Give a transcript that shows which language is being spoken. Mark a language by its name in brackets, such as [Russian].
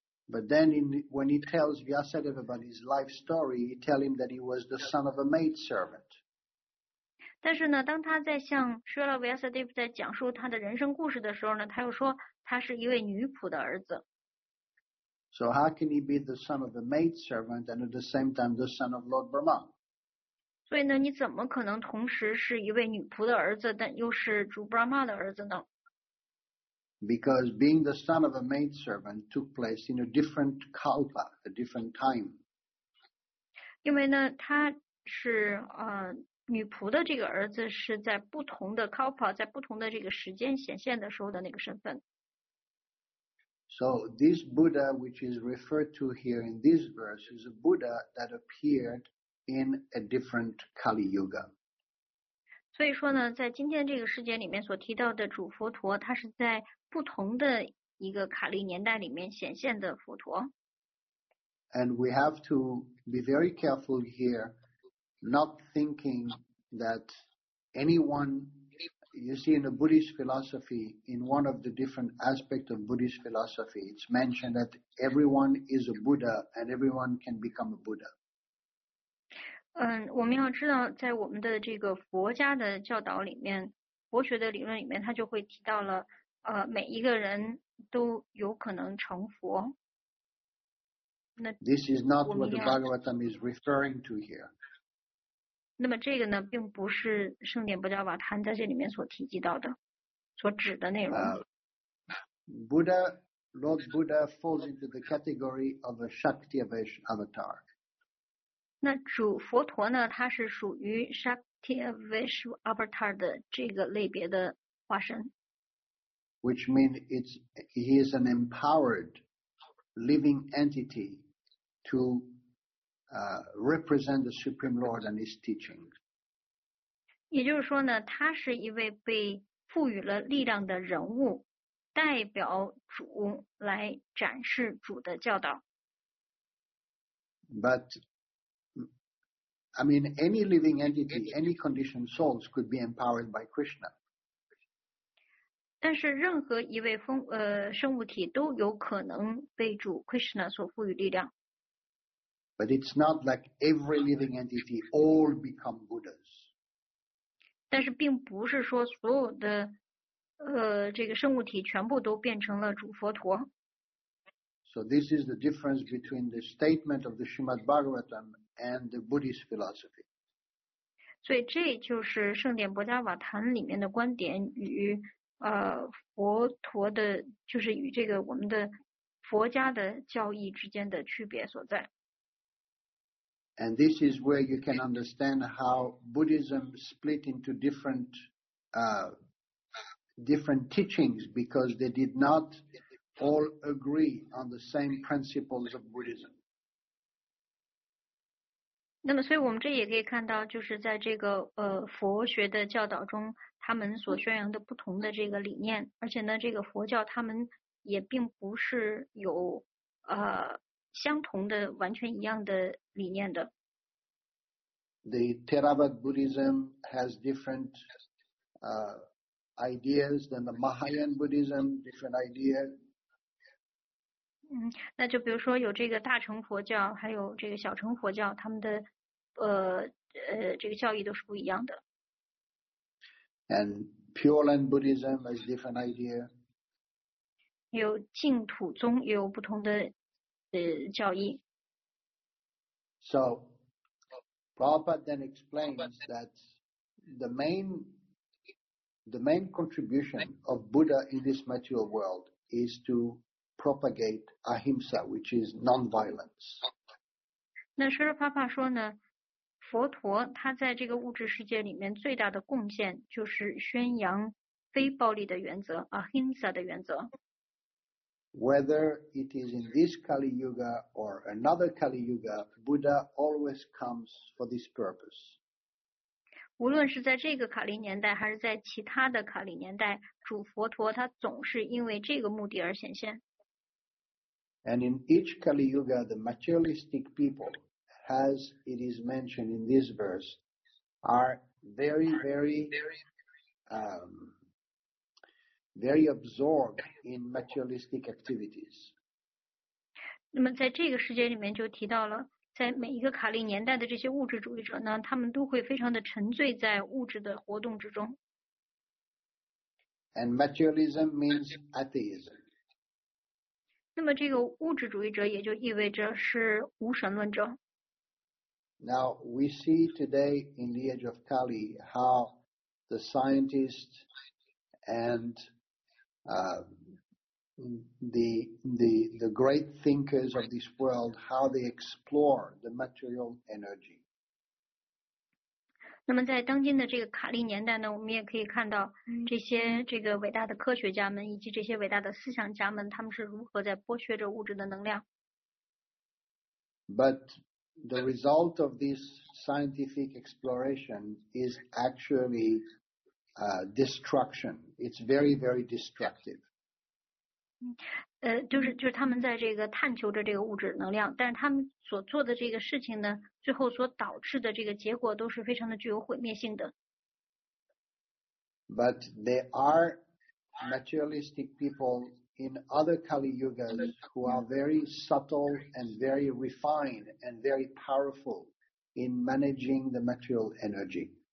[English] But then when he tells Vyasadeva about his life story, he tells him that he was the son of a maidservant. [Chinese] 但是呢当他在向 Srila Vyasadeva 在讲述他的人生故事的时候呢他又说他是一位女仆的儿子。 [English] So how can he be the son of a maid servant and at the same time the son of Lord Brahma? [Chinese] 所以呢你怎么可能同时是一位女仆的儿子但又是主 Brahma 的儿子呢 [English] Because being the son of a maidservant took place in a different kalpa, a different time. [Chinese] 因为呢，他是女仆的这个儿子是在不同的 kalpa， 在不同的这个时间显现的时候的那个身份。 [English] So this Buddha, which is referred to here in this verse, is a Buddha that appeared in a different Kali Yuga. [Chinese] 所以说呢，在今天这个世界里面所提到的主佛陀，他是在不同的一个卡利年代里面显现的佛陀。 [English] And we have to be very careful here, not thinking that anyone. You see, in the Buddhist philosophy, in one of the different aspects of Buddhist philosophy, it's mentioned that everyone is a Buddha and everyone can become a Buddha. [Chinese] 我们要知道，在我们的这个佛家的教导里面，佛学的理论里面，他就会提到了，每一个人都有可能成佛。 [English] This is not what the Bhagavatam is referring to here. [Chinese] 那么这个呢，并不是圣典不教瓦坦在这里面所提及到的，所指的内容。 [English] Buddha, Lord Buddha falls into the category of a Shaktivesh avatar. [Chinese] 那主佛陀呢，他是属于 Shaktivesh avatar 的这个类别的化身。 [English] Which means he is an empowered living entity to. Represent the Supreme Lord and His teachings. [Chinese] 也就是说呢，他是一位被赋予了力量的人物，代表主来展示主的教导。 [English] But, I mean, any living entity, any conditioned souls could be empowered by Krishna. [Chinese] 但是任何一位生物体都有可能被主 Krishna 所赋予力量。 [English] But it's not like every living entity all become Buddhas. [Chinese] 但是并不是说所有的这个生物体全部都变成了主佛陀。 [English] So this is the difference between the statement of the Srimad Bhagavatam and the Buddhist philosophy. [Chinese] 所以这就是圣典薄伽瓦坛里面的观点与佛陀的，就是与这个我们的佛家的教义之间的区别所在。 [English] And this is where you can understand how Buddhism split into different teachings because they did not all agree on the same principles of Buddhism. [Chinese] 那么所以我们这也可以看到就是在这个佛学的教导中他们所宣扬的不同的这个理念而且呢这个佛教他们也并不是有相同的完全一样的理念的。 [English] The Theravada Buddhism has different ideas than the Mahayana Buddhism, different ideas. [Chinese] 那就比如说有这个大乘佛教，还有这个小乘佛教，他们的这个教义都是不一样的。 [English] And Pure Land Buddhism has different ideas. [Chinese] 有净土宗也有不同的教义。 [English] So. Prabhupada then explains that the main contribution of Buddha in this material world is to propagate ahimsa, which is non-violence. [Chinese] 那释迦牟尼说呢，佛陀他在这个物质世界里面最大的贡献就是宣扬非暴力的原则 ，ahimsa 的原则。 [English] Whether it is in this Kali Yuga or another Kali Yuga, Buddha always comes for this purpose. [Chinese] 无论是在这个卡利年代还是在其他的卡利年代，主佛陀他总是因为这个目的而显现。 [English] And in each Kali Yuga, the materialistic people, as it is mentioned in this verse, are very, very, very absorbed in materialistic activities. [Chinese] 那么在这个世界里面就提到了，在每一个卡利年代的这些物质主义者呢，他们都会非常的沉醉在物质的活动之中。 [English] And materialism means atheism. [Chinese] 那么这个物质主义者也就意味着是无神论者。 [English] Now we see today in the age of Kali how the scientists and the great thinkers of this world, how they explore the material energy. [Chinese] 那么在当今的这个卡利年代呢，我们也可以看到这些这个伟大的科学家们以及这些伟大的思想家们，他们是如何在剥削着物质的能量。 [English] But the result of this scientific exploration is actually destruction. It's very, very destructive. [Chinese] 就是他们在这个探求着这个物质能量，但是他们所做的这个事情呢，最后所导致的这个结果都是非常的具有毁灭性的。 [English] But there are materialistic people in other Kali Yugas who are very subtle and very refined and very powerful in managing the material energy.